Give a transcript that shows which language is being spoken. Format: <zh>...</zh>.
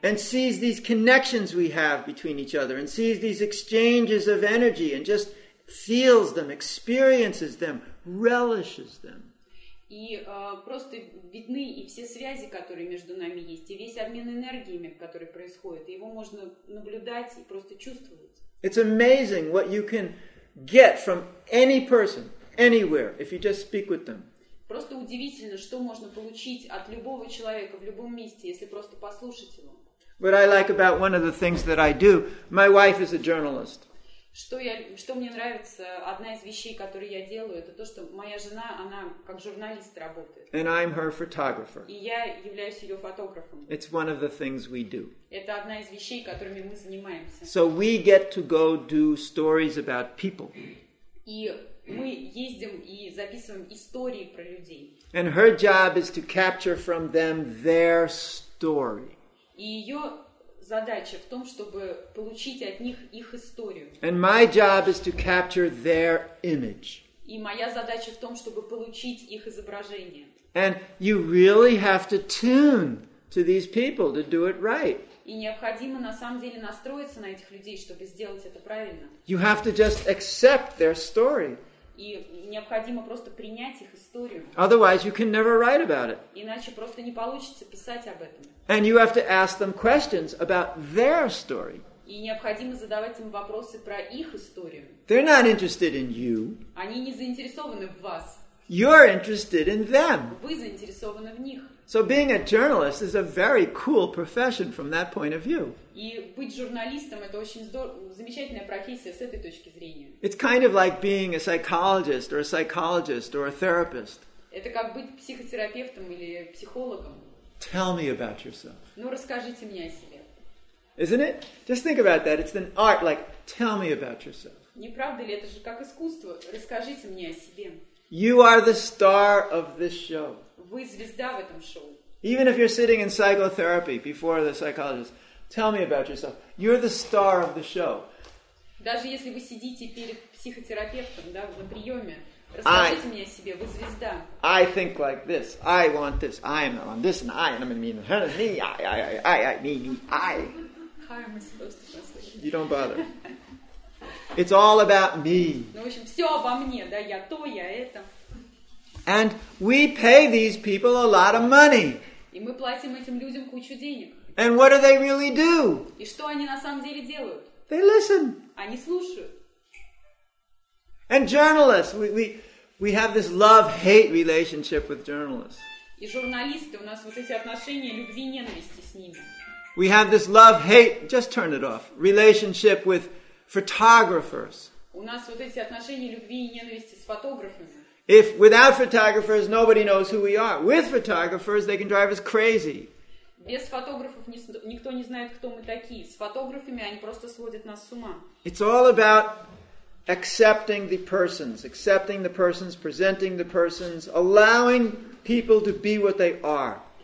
<en>And sees these connections we have between each other, and sees these exchanges of energy, and just feels them, experiences them, relishes them.</en> <ru>И просто видны и все связи, которые между нами есть, и весь обмен энергиями, который происходит. Его можно наблюдать и просто чувствовать.</ru> <en>It's amazing what you can get from any person. Anywhere, if you just speak with them.</en> <ru>Просто удивительно, что можно получить от любого человека в любом месте, если просто послушать его.</ru> <en>What I like about one of the things that I do, my wife is a journalist.</en> <ru>Что мне нравится, одна из вещей, которые я делаю, это то, что моя жена, она как журналист работает.</ru> <en>And I'm her photographer.</en> <ru>И я являюсь ее фотографом.</ru> <en>It's one of the things we do.</en> <ru>Это одна из вещей, которыми мы занимаемся.</ru> <en>So we get to go do stories about people.</en> <ru>И мы ездим и записываем истории про людей.</ru> <en>And her job is to capture from them their story.</en> <ru>И ее задача в том, чтобы получить от них их историю.</ru> <en>And my job is to capture their image.</en> <ru>И моя задача в том, чтобы получить их изображение.</ru> <en>And you really have to tune to these people to do it right.</en> <ru>И необходимо на самом деле настроиться на этих людей, чтобы сделать это правильно.</ru> <en>You have to just accept their story.</en> <ru>и необходимо просто принять их историю.</ru> <en>Otherwise, you can never write about it.</en> <ru>Иначе просто не получится писать об этом.</ru> <en>And you have to ask them questions about their story.</en> <ru>И необходимо задавать им вопросы про их историю.</ru> <en>They're not interested in you.</en> <ru>Они не заинтересованы в вас.</ru> <en>You're interested in them.</en> <ru>Вы заинтересованы в них.</ru> <en>So being a journalist is a very cool profession from that point of view.</en> <ru>И быть журналистом — это очень замечательная профессия с этой точки зрения.</ru> <en>It's kind of like being a psychologist or a psychologist or a therapist.</en> <ru>Это как быть психотерапевтом или психологом.</ru> <en>Tell me about yourself.</en> <ru>Ну, расскажите мне о себе.</ru> <en>Isn't it? Just think about that. It's an art, like, tell me about yourself.</en> <ru>Не правда ли, это же как искусство. Расскажите мне о себе.</ru> <en>You are the star of this show.</en> <ru>Вы звезда в этом шоу.</ru> <en>Even if you're sitting in psychotherapy before the psychologist, tell me about yourself. You're the star of the show.</en> <ru>Даже если вы сидите перед психотерапевтом, да, на приеме, расскажите мне о себе. Вы звезда.</ru> <en>I think like this. I want this. I am on this, and I am mean. Me. I. How am I supposed to translate? You don't bother. It's all about me.</en> <ru>Ну, в общем, все обо мне, да? Я то, я это.</ru> <en>And we pay these people a lot of money.</en> <ru>И мы платим этим людям кучу денег.</ru> <en>And what do they really do?</en> <ru>И что они на самом деле делают?</ru> <en>They listen.</en> <ru>Они слушают.</ru> <en>And journalists, we have this love-hate relationship with journalists.</en> <ru>И журналисты, у нас вот эти отношения любви-ненависти с ними.</ru> <en>We have this love-hate, just turn it off, relationship with photographers.</en> <ru>У нас вот эти отношения любви и ненависти с фотографами.</ru> <en>If without photographers, nobody knows who we are. With photographers, they can drive us crazy.</en> <ru>Без фотографов никто не знает, кто мы такие. С фотографами они просто сводят нас с ума.</ru> <en>It's all about accepting the persons, presenting the persons, allowing people to be what they are.</en>